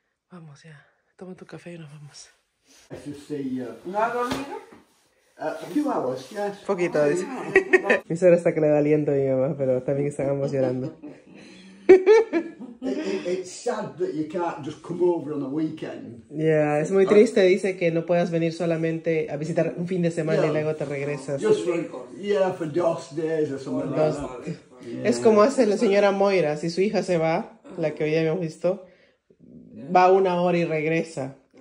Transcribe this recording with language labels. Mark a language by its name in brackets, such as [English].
[Spanish] Vamos ya, toma tu café y nos vamos. ¿No ha dormido? ¿Qué vamos? Un poquito, dice. Mi suegra está que le da aliento a mi mamá, pero también están ambos llorando. [English] It's sad that you can't just come over on a weekend. [Spanish] Yeah, es muy triste, dice, que no puedas venir solamente a visitar un fin de semana, yeah, y luego te regresas. [English] Just for 2 days or something. Dos. Like that. Yeah. [Spanish] Es como hace la señora Moira, si su hija se va, la que hoy hemos visto, yeah, va 1 hora y regresa.